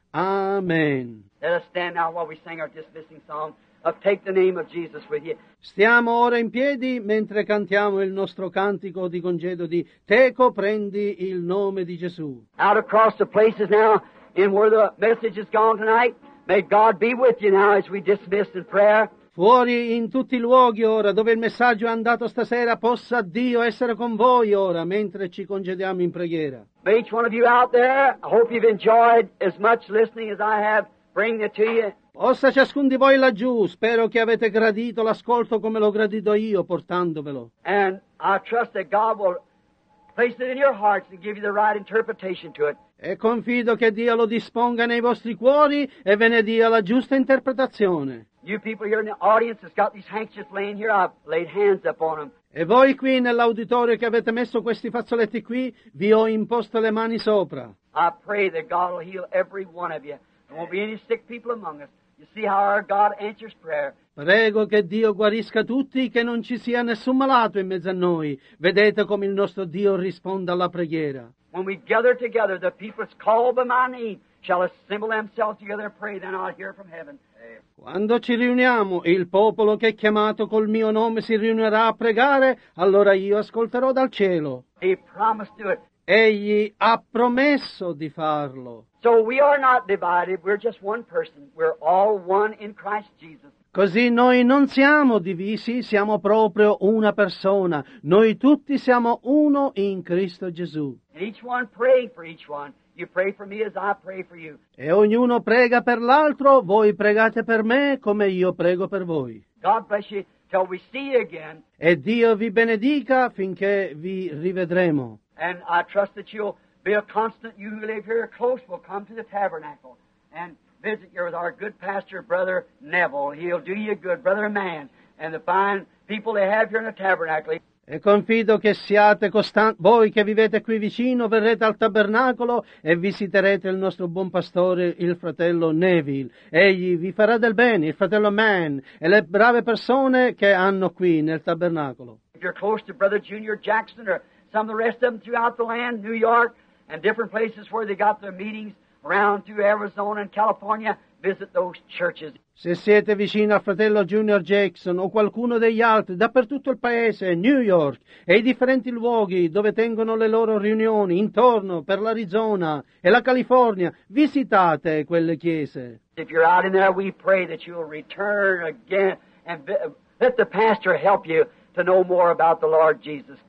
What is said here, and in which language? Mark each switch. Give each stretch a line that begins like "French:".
English: Amen. Let us stand now while we sing our dismissing song of Take the Name of Jesus with you.
Italian: Stiamo ora in piedi mentre cantiamo il nostro cantico di congedo di Teco, prendi il nome di Gesù.
English: Out across the places now in where the message is gone tonight, may God be with you now as we dismiss in prayer.
Italian: Fuori in tutti i luoghi ora dove il messaggio è andato stasera, possa Dio essere con voi ora mentre ci congediamo in preghiera.
English: May each one of you out there, I hope you've enjoyed as much listening as I have, bring it to you.
Italian: Possa ciascun di voi laggiù, spero che avete gradito l'ascolto come l'ho gradito io portandovelo.
English: And I trust that God will place it in your hearts and give you the right interpretation to it.
Italian: E confido che Dio lo disponga nei vostri cuori e ve ne dia la giusta interpretazione.
English: You people here in the audience that's got these handkerchiefs laying here, I've laid hands upon them.
Italian: E voi qui nell'auditorio che avete messo questi fazzoletti qui, vi ho imposto le mani sopra.
English: I pray that God will heal every one of you. There won't be any sick people among us. You see how our God answers prayer.
Italian: Prego che Dio guarisca tutti, che non ci sia nessun malato in mezzo a noi. Vedete come il nostro Dio risponde alla preghiera.
English: When we gather together, the people that's called by my name shall assemble themselves together and pray, then I'll hear from heaven.
Italian: Quando ci riuniamo, il popolo che è chiamato col mio nome si riunirà a pregare, allora io ascolterò dal cielo.
English: He promised to it.
Italian: Egli ha promesso di farlo.
English: So we are not divided, we're just one person. We're all one in Christ Jesus.
Italian: Così noi non siamo divisi, siamo proprio una persona. Noi tutti siamo uno in Cristo Gesù.
English: And each one praying for each one. You pray for me as I pray for you.
Italian: E ognuno prega per l'altro, voi pregate per me come io prego per voi.
English: God bless you till we see you again.
Italian: E Dio vi benedica finché vi rivedremo.
English: And I trust that you'll be a constant, you who live here close will come to the tabernacle and visit here with our good pastor, Brother Neville. He'll do you good, Brother Mann, and the fine people they have here in the tabernacle.
Italian: E confido che siate costanti, voi che vivete qui vicino, verrete al tabernacolo e visiterete il nostro buon pastore, il fratello Neville. Egli vi farà del bene, il fratello Mann, e le brave persone che hanno qui nel tabernacolo.
English: If you're close to Brother Junior Jackson or some of the rest of them throughout the land, New York, and different places where they got their meetings around through Arizona and California, visit those churches.
Italian: Se siete vicino al fratello Junior Jackson o qualcuno degli altri, dappertutto il paese, New York e i differenti luoghi dove tengono le loro riunioni, intorno per l'Arizona e la California, visitate quelle chiese.
English: If you're out in there, we pray that you'll return again and let the pastor help you to know more about the Lord Jesus.